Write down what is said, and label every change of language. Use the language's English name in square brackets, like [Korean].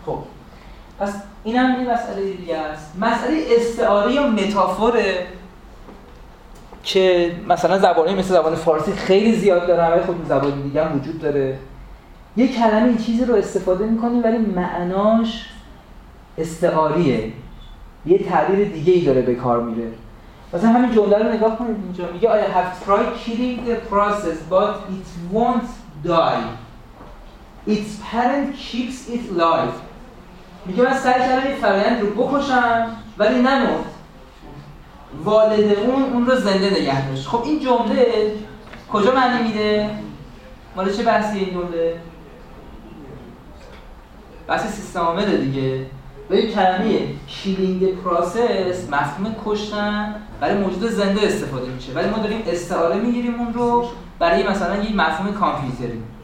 [Persian] خب پس این هم یه مسئله دیگه است، مسئله استعاره یا متافوره که مثلا زبانی مثل زبان فارسی خیلی زیاد داره، ولی خود زبان دیگه هم وجود داره. یک کلمه یه چیزی رو استفاده می‌کنی ولی معناش استعاریه، یه تعبیر دیگه‌ای داره به کار میره. مثلا همین جمله رو نگاه کنید، اینجا میگه [English] I have tried killing the process but it won't die. Its parent keeps it alive. [Persian] میگه من سعی کردم این فرآیند رو بکشم ولی نمرد، والد اون رو زنده نگه داشت. خب این جمله کجا معنی میده؟ مال چه بحثی این جمله؟ بحث سیستم عامل دیگه. به این کلمه کیلینگ پروسس مفهوم کشتن برای موجود زنده استفاده میشه، ولی ما داریم استعاره میگیریم اون رو برای مثلا یک مفهوم کامپیوتری.